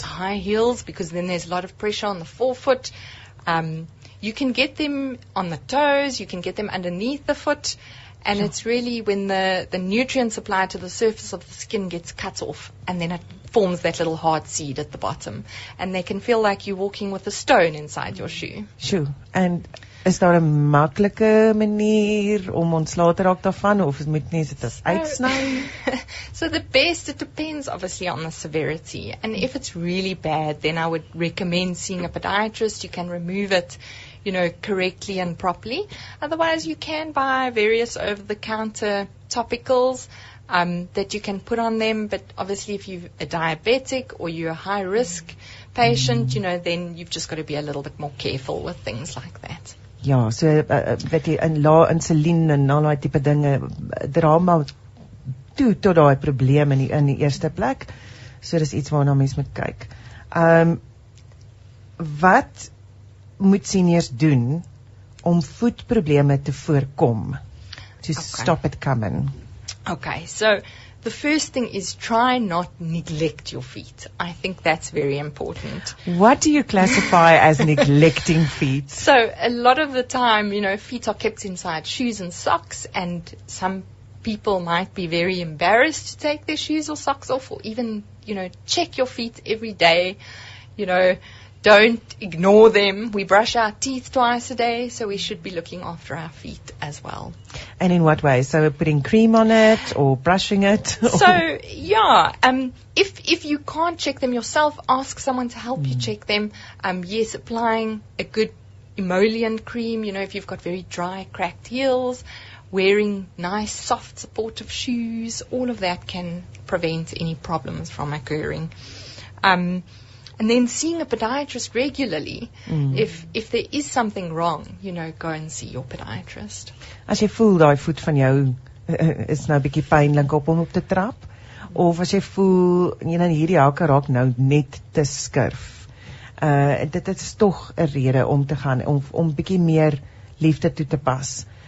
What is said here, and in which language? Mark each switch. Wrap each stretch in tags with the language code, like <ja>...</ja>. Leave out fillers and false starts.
<en>High heels, because then there's a lot of pressure on the forefoot. You can get them on the toes. You can get them underneath the foot. And sure. It's really when the nutrient supply to the surface of the skin gets cut off, and then it forms that little hard seed at the bottom. And they can feel like you're walking with a stone inside your shoe. Sure.</en> <af>And is daar 'n maklike manier om ontslae te raak daarvan of moet nie dit uitsny?</af> <en>So the best, it depends obviously on the severity. And if it's really bad, then I would recommend seeing a podiatrist. You can remove it, you know, correctly and properly. Otherwise, you can buy various over-the-counter topicals that you can put on them. But obviously, if you're a diabetic or you're a high-risk patient, you know, then you've just got to be a little bit more careful with things like that.</en> <af>Ja, so weet jy, in lae insulien en al daai tipe dinge dra maar toe tot daai probleem in die eerste plek. So dis iets waarna mens moet kyk. Wat moet seniors doen om voetprobleme te voorkom?</af> <en>Stop it coming. Okay, so the first thing is try not neglect your feet. I think that's very important. What do you classify as neglecting feet? So a lot of the time, you know, feet are kept inside shoes and socks, and some people might be very embarrassed to take their shoes or socks off, or even, you know, check your feet every day. You know, don't ignore them. We brush our teeth twice a day, so we should be looking after our feet as well. And in what way? So putting cream on it or brushing it? So, yeah, if you can't check them yourself, ask someone to help you check them. Yes, applying a good emollient cream, you know, if you've got very dry, cracked heels, wearing nice, soft, supportive shoes, all of that can prevent any problems from occurring. And then seeing a podiatrist regularly, if there is something wrong, you know, go and see your podiatrist.</en> <af>As jy voel die voet van jou is nou bietjie pynlik op hom op te trap, of as jy voel, jy nou hierdie hakke raak nou net te skurf, dit is toch 'n rede om te gaan, om bietjie meer liefde toe te pas.</af>